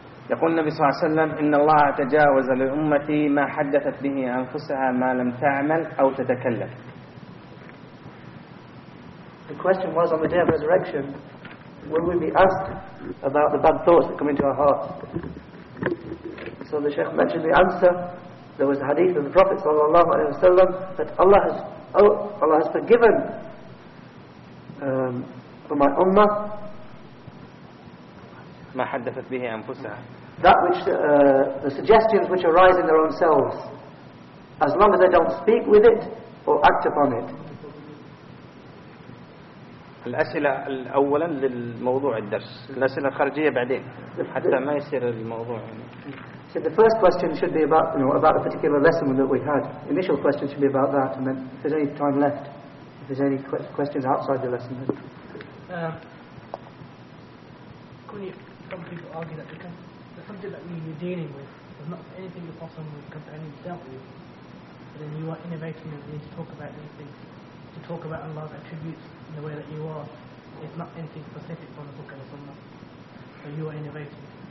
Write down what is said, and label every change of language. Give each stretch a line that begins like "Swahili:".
Arabic: يقول النبي صلى الله عليه وسلم إن الله تجاوز لأمتي ما حدثت به أنفسها ما لم تعمل أو تتكلم.
English: The question was on the day of resurrection, will we be asked about the bad thoughts that come into our hearts So the Shaykh mentioned the answer. There was the hadith of the Prophet sallallahu alaihi wasallam that Allah has forgiven for my ummah
Arabic: ما حدثت به أنفسها,
English: that which the suggestions which arise in their own selves, as long as they don't speak with it or act upon it.
Arabic: الأسئلة الأولا للموضوع الدرس, الأسئلة الخارجية بعدين حتى ما يصير الموضوع.
English: So the first question should be about, you know, about a particular lesson that we had. Initial question should be about that, and then if there's any time left, if there's any questions outside the lesson, then. Could you, some people argue that because the subject that you're dealing with is not anything you're possible with companions dealt with, but then you are innovating and you need to talk about these things, to talk about Allah's attributes in the way that you are, it's not anything specific from the Book of the Sunnah, but you are innovating.